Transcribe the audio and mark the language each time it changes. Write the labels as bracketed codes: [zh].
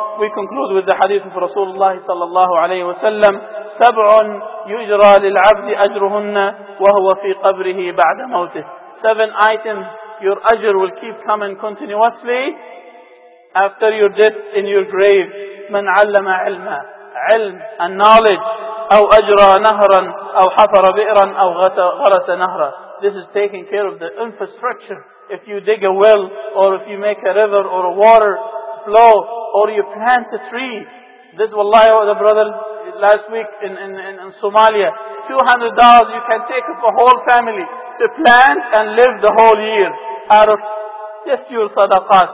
[en] We conclude with the hadith of Rasulullah sallallahu alayhi wa sallam, [ar] سَبْعٌ يُجْرَى لِلْعَبْدِ أَجْرُهُنَّ وَهُوَ فِي قَبْرِهِ بَعْدَ مَوْتِهِ. [en] 7 items, your ajr will keep coming continuously after your death in your grave. [ar] مَنْ عَلَّمَ عِلْمًا, علم [en] and knowledge, [ar] أَوْ أَجْرَى نَهْرًا أَوْ حَفَرَ بِئْرًا أَوْ غَرَسَ نَهْرًا. [en] This is taking care of the infrastructure. If you dig a well, or if you make a river or a water flow, or you plant a tree. This wallahi, the brothers last week in Somalia, $200, you can take up a whole family to plant and live the whole year out of just your sadaqah.